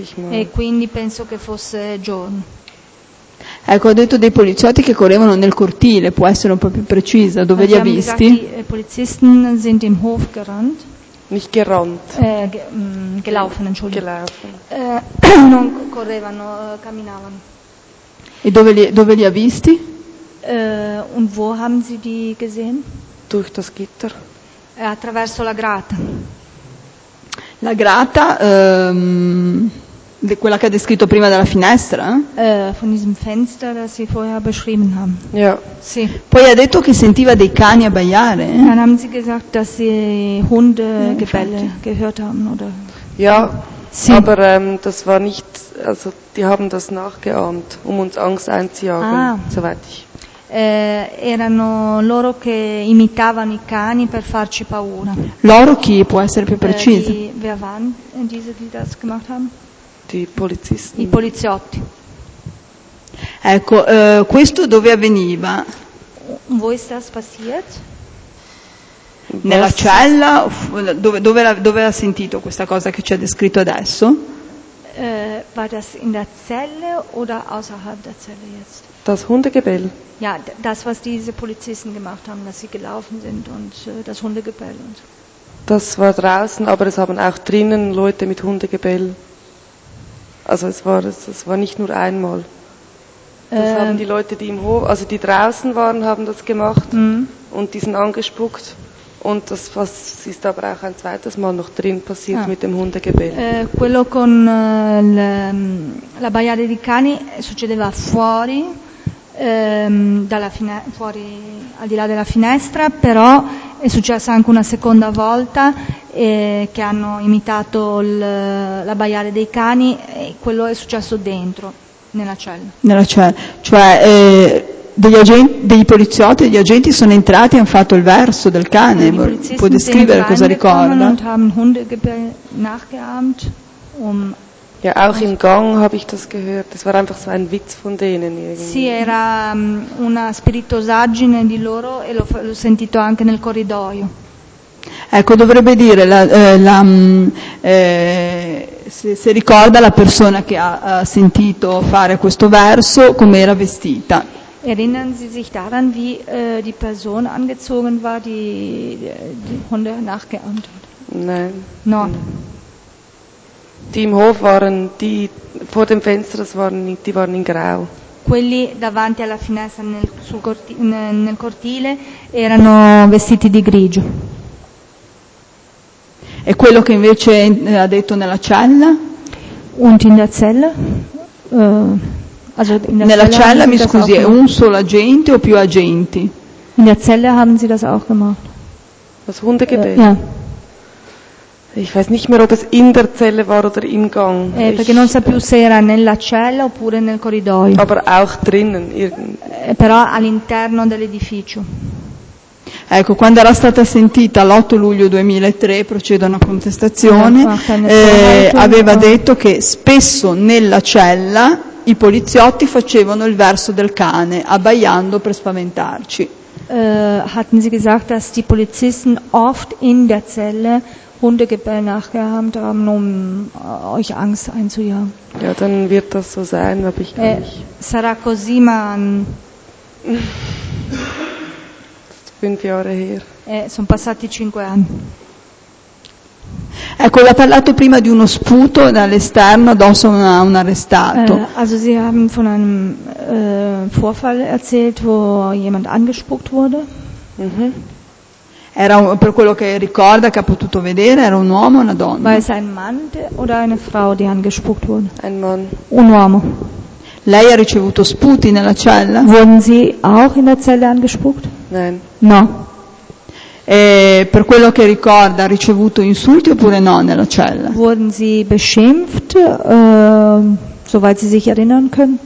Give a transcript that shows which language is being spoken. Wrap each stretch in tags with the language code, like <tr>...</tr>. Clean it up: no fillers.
<it>E quindi penso che fosse giorno. Ecco, ho detto dei poliziotti che correvano nel cortile, può essere un po' più precisa, dove li ha visti?</it> <de>I polizisten sind im Hof gerannt. Nicht gerannt. Gelaufen, entschuldigung. Gelaufen.</de> <it>Non correvano, camminavano. E dove li ha visti?</it> <de>Und wo haben Sie die gesehen? Durch das Gitter.</de> <it>Attraverso la grata. La grata, quella che ha descritto prima dalla finestra?</it> <de>Von diesem Fenster, das Sie vorher beschrieben haben. Ja.</de> <it>Sì. Poi ha detto che sentiva dei cani abbaiare.</it> <de>Dann haben Sie gesagt, dass Sie Hundegebelle gehört haben, oder? Ja.</de> <it>Sì.</it> <de>Aber das war nicht, also die haben das nachgeahmt, um uns Angst einzujagen, soweit ich.</de> <it>Erano loro che imitavano i cani per farci paura. Loro chi, può essere più preciso?</it> <de>Wer waren diese, die das gemacht haben? Die Polizisten.</de> <it>I poliziotti. Ecco, questo dove avveniva?</it> <de>Wo ist das passiert?</de> <it>Nella cella? Dove ha sentito questa cosa che ci ha descritto adesso?</it> <de>War das in der Zelle oder außerhalb der Zelle jetzt? Das Hundegebell. Ja, das, was diese Polizisten gemacht haben, dass sie gelaufen sind und das Hundegebell und so. Das war draußen, aber es haben auch drinnen Leute mit Hundegebell. Also es war nicht nur einmal. Das haben die Leute, die im Hof, also die draußen waren, haben das gemacht und diesen angespuckt. Und das was ist aber auch ein zweites Mal noch drin passiert mit dem Hundegebell.</de> <it>Quello con la baia dei cani succedeva fuori, dalla fuori al di là della finestra, però è successa anche una seconda volta che hanno imitato la baiare dei cani e quello è successo dentro. Nella cella. Cioè degli agenti sono entrati e hanno fatto il verso del cane. Può descrivere cosa ricorda?</it> <de>Und haben Hundegebell nachgeahmt, Ja, auch im Gang habe ich das gehört. Das war einfach so ein Witz von denen irgendwie.</de> <it>Sì, era una spiritosaggine di loro e l'ho sentito anche nel corridoio. Ecco, dovrebbe dire se ricorda la persona che ha sentito fare questo verso, come era vestita.</it> <de>Erinnern Sie sich daran, wie die Person angezogen war, die die Hunde nachgeahmt hat? Nein.</de> <it>No.</it> <de>Die im Hof waren, die vor dem Fenster, die waren in grau.</de> <it>Quelli davanti alla finestra nel cortile erano vestiti di grigio. E quello che invece ha detto nella cella? Und in der Zelle?</it> <de>Also in der</de> <it>nella cella, mi scusi, è un solo agente o più agenti?</it> <de>In der Zelle haben sie das auch gemacht. Das Hundegebell? Ja. Ich weiß nicht mehr, ob es in der Zelle war oder im Gang.</de> <it>Perché non sa più se era nella cella oppure nel corridoio.</it> <de>Aber auch drinnen.</de> <it>Però all'interno dell'edificio. Ecco, quando era stata sentita l'8 luglio 2003, procede una contestazione, aveva detto che spesso nella cella i poliziotti facevano il verso del cane, abbaiando per spaventarci.</it> <de>Hatten Sie gesagt, dass die Polizisten oft in der Zelle Hundegebell nachgeahmt haben, um euch Angst einzujagen? Ja, dann wird das so sein, aber ich glaube nicht.</de> <it>Sarà così, ma...</it> <de>5 anni her.</de> <it>Sono passati 5 anni. Ecco, ha parlato prima di uno sputo dall'esterno addosso a un arrestato.</it> <de>Also sie haben von einem Vorfall erzählt, wo jemand angespuckt wurde.</de> <it>Era per quello che ricorda che ha potuto vedere, era un uomo o una donna?</it> <de>War es ein Mann oder eine Frau, die angespuckt wurde? Ein Mann.</de> <it>Un uomo. Lei ha ricevuto sputi nella cella?</it> <de>Wurden Sie auch in der Zelle angespuckt? Nein.</de> <it>No. Per quello che ricorda, ha ricevuto insulti oppure no nella cella?</it> <de>Wurden Sie beschimpft, soweit Sie sich erinnern können?</de>